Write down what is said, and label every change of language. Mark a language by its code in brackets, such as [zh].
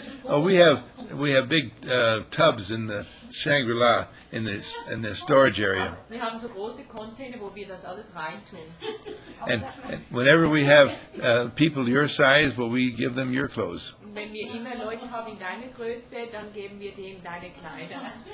[en] Oh, we have big tubs in the Shangri-La in the storage area. We have [de] so große Container, wo wir das alles reintun. [en] And whenever we have people your size, well, we give them your clothes. [de] Wenn wir immer Leute haben in deiner Größe, dann geben wir denen deine Kleider.